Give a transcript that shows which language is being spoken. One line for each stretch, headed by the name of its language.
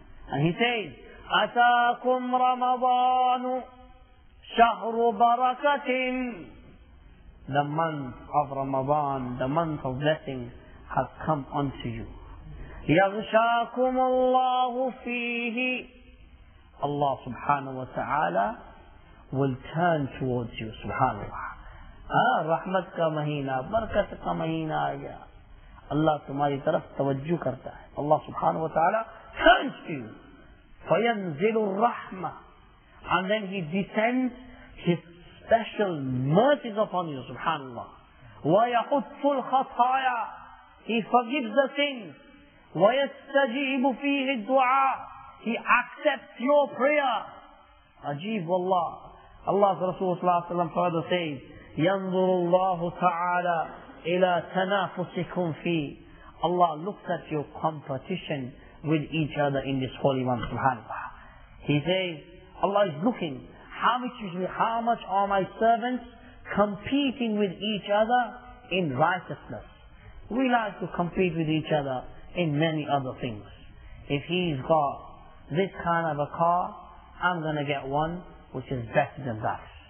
English: And he says,
Arabic: أَتَاكُمْ رَمَضَانُ شَهْرُ بَرَكَةٍ
English: The month of Ramadan, the month of blessing has come unto you.
Arabic: يَغْشَاكُمُ اللَّهُ فِيهِ
English: Allah subhanahu wa ta'ala will turn towards you, subhanallah.
Urdu: رحمت کا مہینہ برکت کا مہینہ آیا اللہ تمہاری طرف توجہ کرتا ہے
English: اللہ سبحانہ وتعالی turns to you
Arabic: فَيَنزِلُ الرَّحْمَةِ
English: and then he descends his special mercies upon you سبحان اللہ
Arabic: وَيَحُطُّ الْخَطَايَا
English: he forgives the sins
Arabic: وَيَسْتَجِيبُ فِيهِ الدُّعَى
English: he accepts your prayer عجیب واللہ اللہ رسول صلی اللہ علیہ وسلم further says
Arabic: ينظر الله تعالى إلى تنافسكم فيه
English: Allah looks at your competition with each other in this holy month subhanAllah. He says Allah is looking how much are my servants competing with each other in righteousness. We like to compete with each other in many other things. If he's got this kind of a car, I'm going to get one which is better than that.